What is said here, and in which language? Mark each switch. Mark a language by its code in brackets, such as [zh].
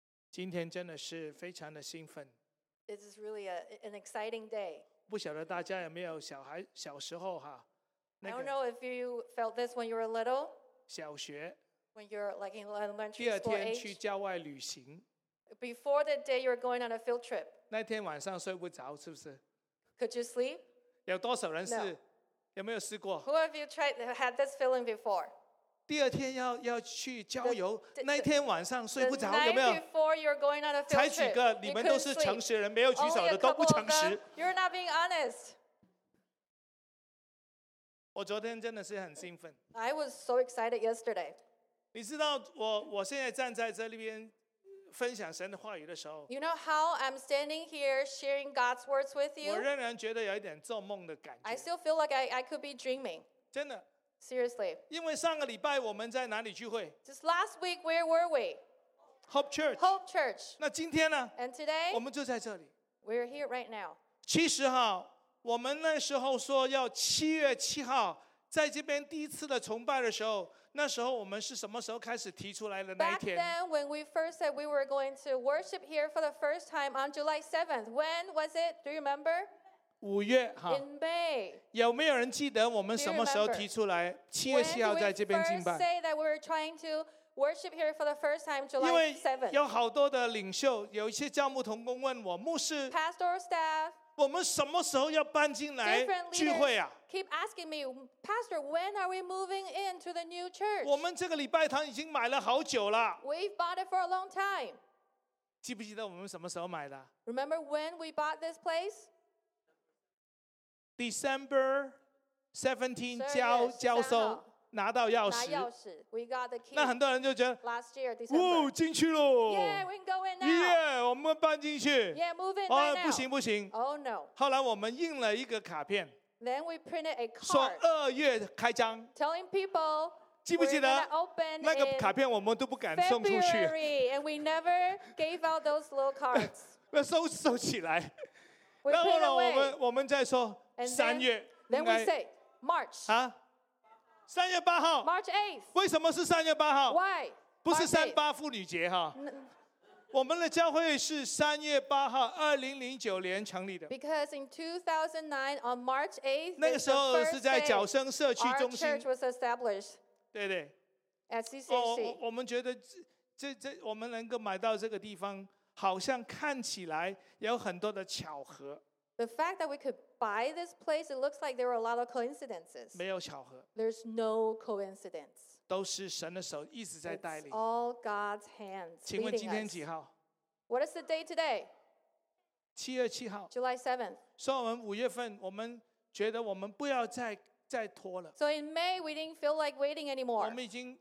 [zh] 今天真的是非常的兴奋。 [en] This is really an exciting day. [zh] 不晓得大家有没有小孩小时候哈、那个、 [en] I don't know if you felt this when you were little. [zh] 小学。 [en] When you're like in elementary school age. [zh] 第二天去郊外旅行。 [en] Before that day, you're going on a field trip. [zh] 那天晚上睡不着是不是 [en] ？Could you sleep? [zh] 有多少人是？No. 有没有试过 [en] ？Who have you tried had this feeling before？ [zh] 第二天 要去郊游，那一天晚上睡不着，有没有 [en] ？Before you're going on a field trip， [zh] 才举个，你们都是诚实人，没有举手的都不诚实。 [en] You're not being honest。 [zh] 我昨天真的是很兴奋。 [en] I was so excited yesterday。 [zh] 你知道我现在站在这里边分享神的话语的时候 [en] ，You know how I'm standing here sharing God's words with you。 [zh] 我仍然觉得有一点做梦的感觉。 [en] I still feel like I could be dreaming。 [zh] 真的 [en] ？Seriously。 [zh] 因为上个礼拜我们在哪里聚会 [en] ？Just last week, where were we? Hope Church。 Hope Church。 [zh] 那今天呢 [en] ？And today。 [zh] 我们就在这里。 [en] We're here right now。 [zh] 其实哈，我们那时候说要七月七号在这边第一次的崇拜的时候。那时候我们是什么时候开始提出来的那一天 [en] ？Back then, when we first said we were going to worship here for the first time on July 7th, when was it? Do you remember? [zh] 五月哈。 [en] In May. [zh] 有没有人记得我们什么时候提出来？七月七号在这边敬拜。 [en] When did we first say that we were trying to worship here for the first time, July 7th? [zh] 因为有好多的领袖，有一些教牧同工问我，牧师。 [en] Pastoral staff. [zh] 我们什么时候要搬进来聚会啊？ [en] Keep asking me, Pastor, when are we moving into the new church? [zh] 我们这个礼拜堂已经买了好久了。 [en] We've bought it for a long time. [zh] 记不记得我们什么时候买的？ [en] Remember when we bought this place? [zh] December 17, 交收，拿到钥匙。拿钥匙。 [en] We got the key. [zh] 那很多人就觉得 [en] last year, December. [zh] 哦，进去了。 [en] Yeah, we can go in now. [zh] Yeah, 我们搬进去。 [en] Yeah, move in right now. [zh] 不行不行。 [en] Oh, no. [zh] 后来我们印了一个卡片。 [en] Then we printed a card. [zh] 说二月开张。 [en] Telling people. [zh] 记不记得 [en] we're gonna open [zh] 那个卡片，我们都不敢送出去。 [en] February, and we never gave out those little cards. [zh] 要收起来。 [en] We put away. [zh] 然后我们再说三月。 [en] Then we say March. [zh] 啊，三月八号。 [en] March 8th. [zh] 为什么是三月八号 [en] ？Why? [zh] 不是三八妇女节哈。我们的教会是三月八号，二零零九年成立的。 [en] Because in 2009 on March 8th, [zh] 那个时候是在角声社区中心。 [en] Our church was established. [zh] 对对。 [en] At CCC. 哦， [zh] 我们觉得这我们能够买到这个地方，好像看起来有很多的巧合。 [en] The fact that we could buy this place, it looks like there were a lot of coincidences. [zh] 没有巧合。 [en] There's no coincidence. [zh] 都是神的手一直在带领。 [en] It's all God's hands. [zh] 请问今天几号 [en] ？What is the day today？ [zh] 七月七号。 [en] July 7th。 [zh] 所以我们五月份，我们觉得我们不要再拖了。 [en] So in May we didn't feel like waiting anymore.